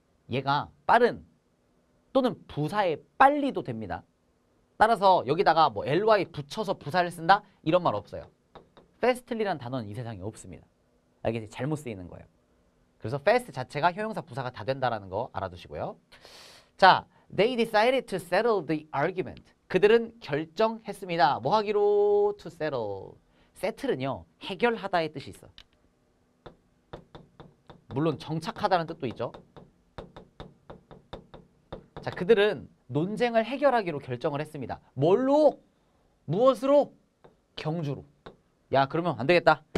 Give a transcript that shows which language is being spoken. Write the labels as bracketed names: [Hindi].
[Korean] 얘가 빠른 또는 부사의 빨리도 됩니다. 따라서 여기다가 뭐 ly 붙여서 부사를 쓴다? 이런 말 없어요. fastly라는 단어는 이 세상에 없습니다. 이게 잘못 쓰이는 거예요. 그래서 fast 자체가 형용사 부사가 다 된다라는 거 알아두시고요. 자, [English] they decided to settle the argument. [Korean] 그들은 결정했습니다. 뭐 하기로? to settle. settle은요, 해결하다의 뜻이 있어. 물론 정착하다는 뜻도 있죠. 자, 그들은 논쟁을 해결하기로 결정을 했습니다. 뭘로? 무엇으로? 경주로. 야, 그러면 안 되겠다.